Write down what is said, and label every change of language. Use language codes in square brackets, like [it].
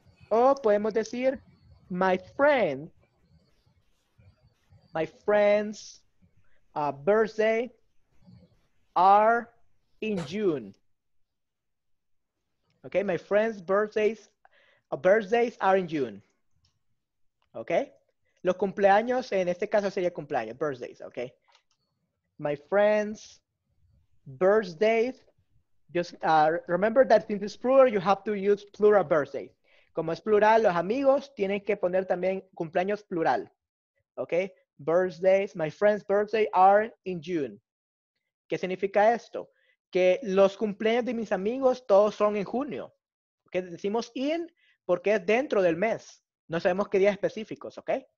[es] O podemos decir, [en] my friend's birthday are in June. Okay, my friend's birthdays are in June. Okay? [es] Los cumpleaños, en este caso sería cumpleaños, birthdays, okay? [en] My friend's birthdays, remember that since it's plural, you have to use plural birthday. [es] Como es plural, los amigos tienen que poner también cumpleaños plural. Okay? [en] Birthdays, my friend's birthday are in June. [es] ¿Qué significa esto? Que los cumpleaños de mis amigos todos son en junio. ¿Ok? Decimos in porque es dentro del mes. No sabemos qué días específicos, ¿ok?